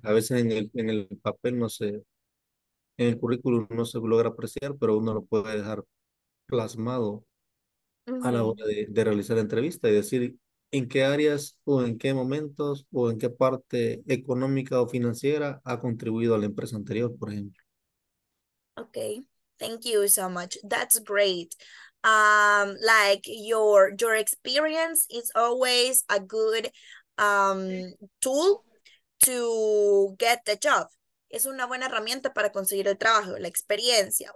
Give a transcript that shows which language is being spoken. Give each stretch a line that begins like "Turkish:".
Spanish: A veces en el papel no se, en el currículum no se logra apreciar, pero uno lo puede dejar plasmado a la hora de realizar la entrevista y decir en qué áreas o en qué momentos o en qué parte económica o financiera ha contribuido a la empresa anterior, por ejemplo.
English: Okay, thank you so much. That's great. Like your experience is always a good tool to get the job.
Spanish: Es una buena herramienta para conseguir el trabajo, la experiencia.